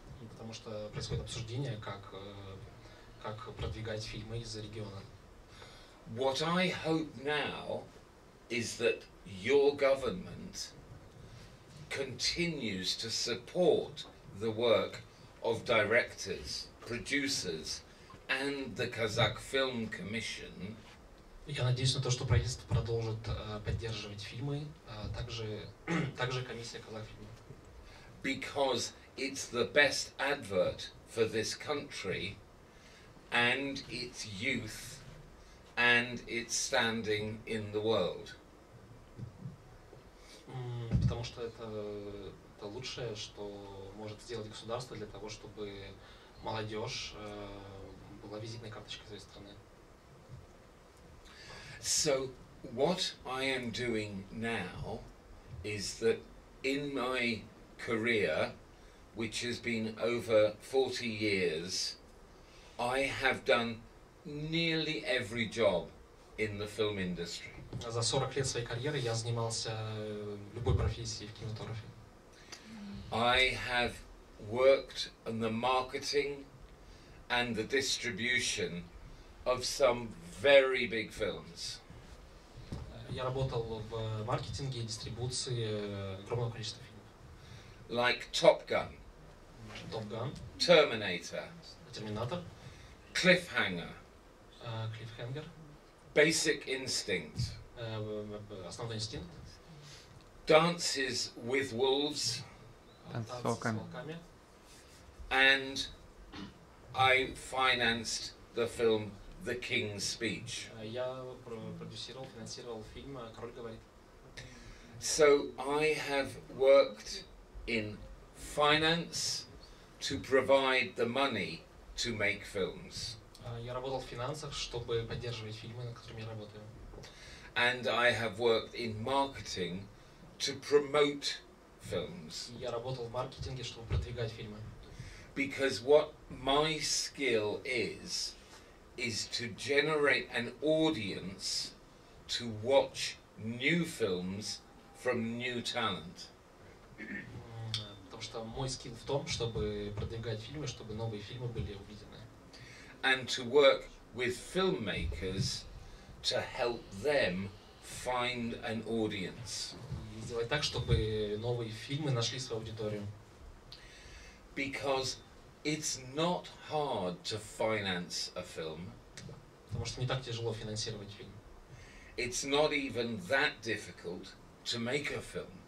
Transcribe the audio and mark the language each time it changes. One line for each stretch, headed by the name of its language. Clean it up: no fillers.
Russian: Потому что происходит обсуждение, как продвигать фильмы из региона.
English: What I hope now is that your government continues to support the work of directors, producers, and the Kazakh Film Commission.
Russian: Я надеюсь на то, что правительство продолжит поддерживать фильмы, также комиссия Казах фильма.
English: Because it's the best advert for this country and its youth and its standing in the world.
Russian: Потому что это лучшее, что может сделать государство для того, чтобы молодежь была визитной карточкой своей страны.
English: So what I am doing now is that in my career, which has been over 40 years, I have done nearly every job in the film industry.
Russian: за 40 лет своей карьеры я занимался любой профессией в кинематографе.
English: I have worked in the marketing and the distribution of some very big films.
Russian: Я работал в маркетинге и дистрибуции огромного количества фильмов.
English: Like Top Gun. Top Gun. Terminator.
Russian: Терминатор.
English: Cliffhanger. Cliffhanger. Basic Instinct.
Russian: Основной инстинкт.
English: Dances with Wolves.
Russian: Танцы с волками.
English: And I financed the film The King's Speech.
Russian: Я продюсировал, финансировал фильм «Король говорит».
English: So I have worked in finance to provide the money to make films.
Russian: Я работал в финансах, чтобы поддерживать фильмы, над которыми я работаю.
English: And I have worked in marketing to promote films.
Russian: Я работал в маркетинге, чтобы продвигать фильмы.
English: Because what my skill is to generate an audience to watch new films from new talent.
Russian: Потому что мой скилл в том, чтобы продвигать фильмы, чтобы новые фильмы были увидены.
English: And to work with filmmakers to help them find an audience.
Russian: И сделать так, чтобы новые фильмы нашли свою аудиторию.
English: Because it's not hard to finance a film.
Russian: Потому что не так тяжело финансировать фильм.
English: It's not even that difficult to make a film.